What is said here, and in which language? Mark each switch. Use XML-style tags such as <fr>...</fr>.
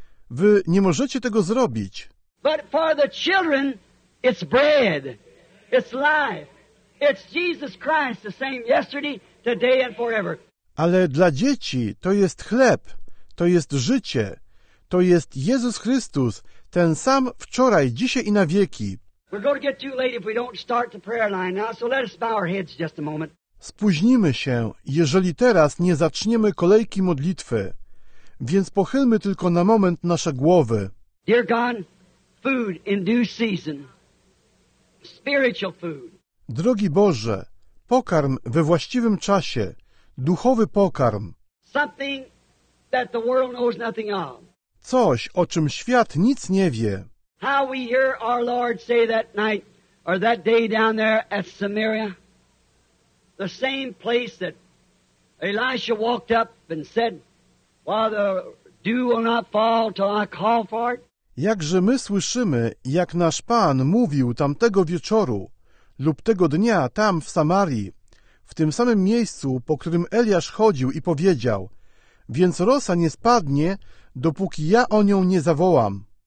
<pl>Wy nie możecie tego zrobić.</pl> <en>But for the children, it's bread, it's life, it's Jesus Christ, the same yesterday, today and forever.</en> <pl>Ale dla dzieci to jest chleb, to jest życie, to jest Jezus Chrystus, ten sam wczoraj, dzisiaj i na wieki.</pl> <en>We're going to get too late if we don't start the prayer line now, so let us bow our heads just a moment.</en> <pl>Spóźnimy się, jeżeli teraz nie zaczniemy kolejki modlitwy, więc pochylmy tylko na moment nasze głowy.</pl> <en>Dear God, food in due season. Spiritual food.</en> <pl>Drogi Boże, pokarm we właściwym czasie, duchowy pokarm.</pl> <en>Something that the world knows nothing of.</en> <pl>Coś, o czym świat nic nie wie.</pl> <en>How we hear our Lord say that night or that day down there at Samaria, the same place that Elisha walked up and said, while the dew will not fall till I call for it.</en> <pl>Jakże my słyszymy, jak nasz Pan mówił tamtego wieczoru lub tego dnia tam w Samarii, w tym samym miejscu, po którym Eliasz chodził i powiedział, więc rosa nie spadnie, dopóki ja o nią nie zawołam.</pl>